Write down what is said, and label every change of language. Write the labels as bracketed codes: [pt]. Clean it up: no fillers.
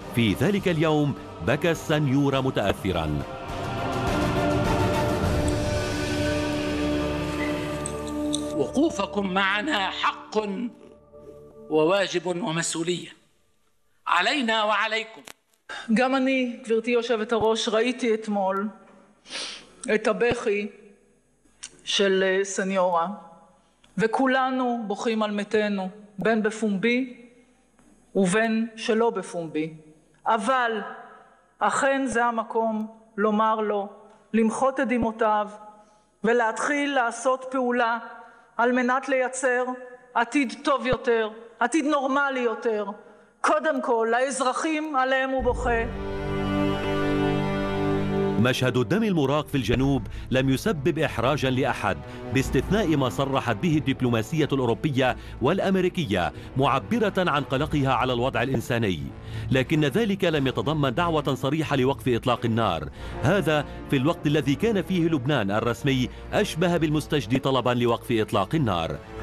[ar] في ذلك اليوم بكى السنيورة متأثراً. وقوفكم معنا حق وواجب ومسؤولية علينا وعليكم. [he] גם אני, גברתי יושבת הראש, ראיתי אתמול את הבכי של סניורה, וכולנו בוכים על מתינו, בין בפומבי ובין שלא בפומבי. אבל אכן זה המקום לומר לו, למחות את דמעותיו ולהתחיל לעשות פעולה על מנת לייצר עתיד טוב יותר, עתיד נורמלי יותר, קודם כל לאזרחים עליהם הוא בוכה. [ar] مشهد الدم المراق في الجنوب لم يسبب إحراجا لأحد باستثناء ما صرحت به الدبلوماسية الأوروبية والأمريكية معبرة عن قلقها على الوضع الإنساني، لكن ذلك لم يتضمن دعوة صريحة لوقف إطلاق النار، هذا في الوقت الذي كان فيه لبنان الرسمي أشبه بالمستجد طلبا لوقف إطلاق النار.